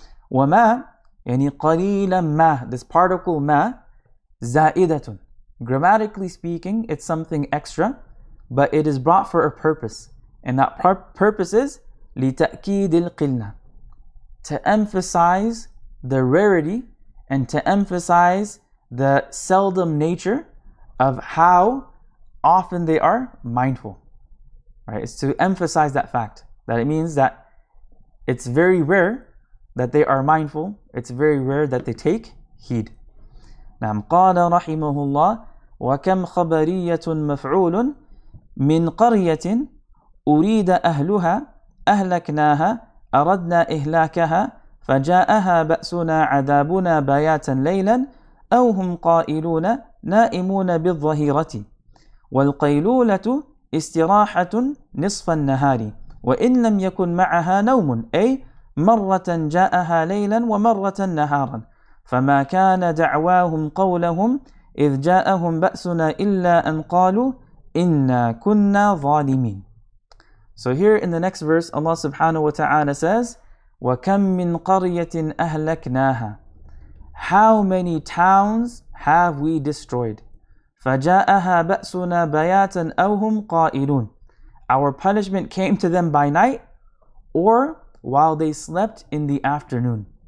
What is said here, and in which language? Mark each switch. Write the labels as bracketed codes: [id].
[ar] وَمَا, يعني قَلِيلًا مَا, [en] this particle ma, زَائِدَةٌ, grammatically speaking, it's something extra, but it is brought for a purpose, and that purpose is [ar] لتأكيد القلة, [en] to emphasize the rarity and to emphasize the seldom nature of how often they are mindful. Right? It's to emphasize that fact, that it means that it's very rare that they are mindful. It's very rare that they take heed. [ar] نعم قال رحمه الله وكم خبرية مفعول من قرية أريد أهلها أهلكناها أردنا إهلاكها فجاءها بأسنا عذابنا بياتا ليلا أو هم قائلون نائمون بالظهيرة والقيلولة استراحة نصف النهار وإن لم يكن معها نوم أي مرة جاءها ليلا ومرة نهارا فما كان دعواهم قولهم إذ جاءهم بأسنا إلا أن قالوا إنا كنا ظالمين. [en] So here in the next verse, Allah subhanahu wa ta'ala says, [ar] وَكَمْ مِنْ قَرْيَةٍ أَهْلَكْنَاهَا. [en] How many towns have we destroyed? [ar] فَجَاءَهَا بَأْسُنَا بَيَاتًا أَوْ هُمْ قَائِلُونَ. [en] Our punishment came to them by night or while they slept in the afternoon.